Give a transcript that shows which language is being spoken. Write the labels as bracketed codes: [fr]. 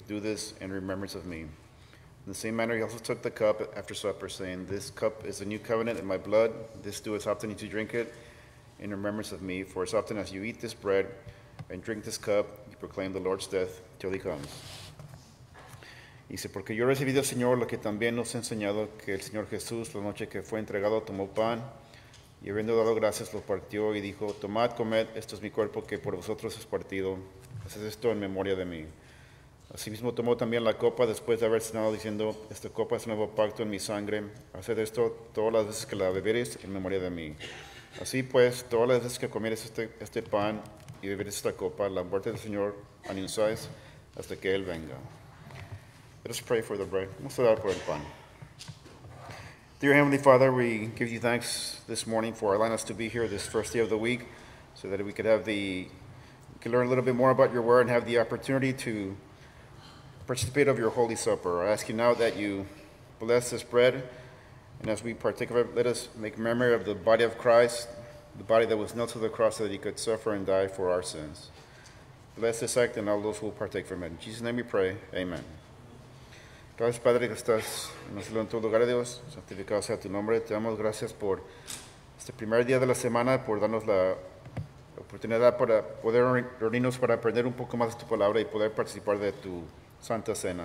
[en] Do this in remembrance of me.' In the same manner, he also took the cup after supper, saying, 'This cup is the new covenant in my blood. This do as often as you drink it in remembrance of me. For as often as you eat this bread and drink this cup, you proclaim the Lord's death till he comes.'" [es] Dice, "Porque yo recibí del Señor lo que también nos ha enseñado, que el Señor Jesús, la noche que fue entregado, tomó pan, y habiendo dado gracias, lo partió, y dijo, 'Tomad, comed, esto es mi cuerpo que por vosotros es partido. Haced esto en memoria de mí.' Asimismo tomó también la copa después de haber cenado, diciendo, 'Esta copa es el nuevo pacto en mi sangre. Haced esto todas las veces que la bebieres en memoria de mí. Así pues, todas las veces que comieres este pan y bebieres esta copa, la muerte del Señor anunciáis hasta que Él venga.'" [en] Let us pray for the bread. [es] Vamos a dar por el pan. [en] Dear Heavenly Father, we give you thanks this morning for allowing us to be here this first day of the week, so that we could have could learn a little bit more about your word and have the opportunity to participate of your Holy Supper. I ask you now that you bless this bread, and as we partake of it, let us make memory of the body of Christ, the body that was nailed to the cross so that he could suffer and die for our sins. Bless this act and all those who will partake from it. In Jesus' name we pray, amen. [es] Gracias, Padre, que estás en el cielo, en todo lugar de Dios, santificado sea tu nombre. Te damos gracias por este primer día de la semana, por darnos la oportunidad para poder reunirnos para aprender un poco más de tu palabra y poder participar de tu Santa Cena.